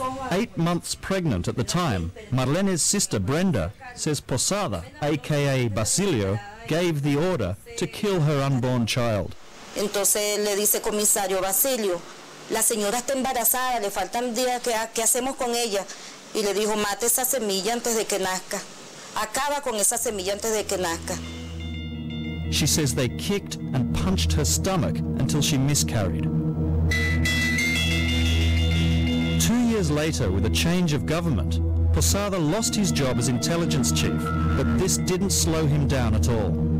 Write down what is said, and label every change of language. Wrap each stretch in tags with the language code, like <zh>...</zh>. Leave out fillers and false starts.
<en>8 months pregnant at the time, Marlene's sister Brenda says Posada, aka Basilio, gave the order to kill her unborn child.</en> <es>Entonces le dice comisario Basilio, la señora está embarazada, le faltan días, ¿qué hacemos con ella? Y le dijo, mate esa semilla antes de que nazca. Acaba con esa semilla antes de que nazca.</es> <en>She says they kicked and punched her stomach until she miscarried. 2 years later, with a change of government, Posada lost his job as intelligence chief, but this didn't slow him down at all.</en>